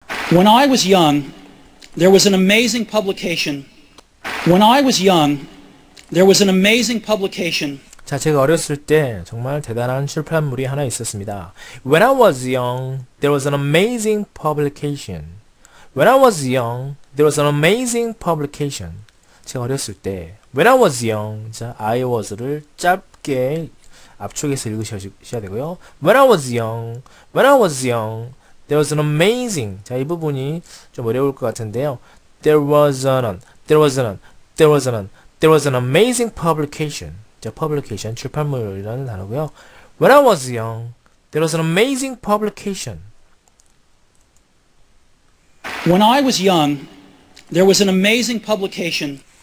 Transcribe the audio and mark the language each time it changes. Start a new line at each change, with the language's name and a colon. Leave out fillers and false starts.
English: When I was young, there was an amazing publication. When I was young, there was an amazing publication.
Korean: 자, 제가 어렸을 때 정말 대단한 출판물이 하나 있었습니다.
English: When I was young, there was an amazing publication. When I was young, there was an amazing publication.
Korean: 제가 어렸을 때,
English: when I was young,
Korean: 자, I was를 짧게 앞쪽에서 읽으셔야 되고요.
English: When I was young, when I was young, there was an amazing.
Korean: 자, 이 부분이 좀 어려울 것 같은데요.
English: There was an, there was an, there was an, there was an amazing publication. 자, publication,
Korean: 출판물이라는 단어고요.
English: When I was young, there was an amazing publication. When I was young, there was an amazing publication.